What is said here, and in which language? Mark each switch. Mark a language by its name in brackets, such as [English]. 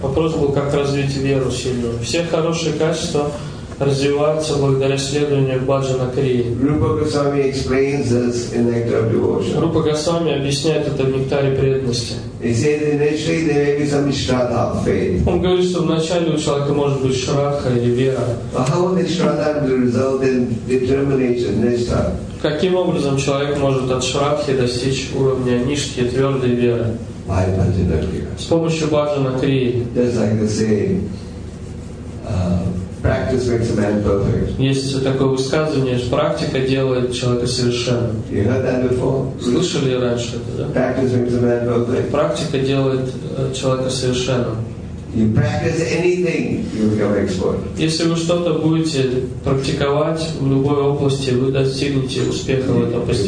[Russian] Вопрос был, как развить веру сильную. Все хорошие качества развиваются благодаря следованию бхаджана крии. [English] Rupa Goswami explains this in Nectar of Devotion. [Russian] Rupa Goswami объясняет это в Нектаре преданности. [English] He says initially there may be some shraddha of faith. [Russian] Он говорит, что вначале у человека может быть шрадха или вера. [English] But how will the shraddha result in determination, nishtha? [Russian] Каким образом человек может от шрадхи достичь уровня нишки, твердой веры? [English] By bhajana kriya. [Russian] С помощью бхаджана крии. [English] Just like the saying, practice makes a man perfect. [Russian] Есть такое высказывание, что практика делает человека совершенным. [English] You heard that before? [Russian] Слышали раньше это, да? [English] Practice makes a man perfect. [Russian] Практика делает человека совершенным. [English] You practice anything, you become expert. [Russian] Если вы что-то будете практиковать в любой области, вы достигнете успеха в этом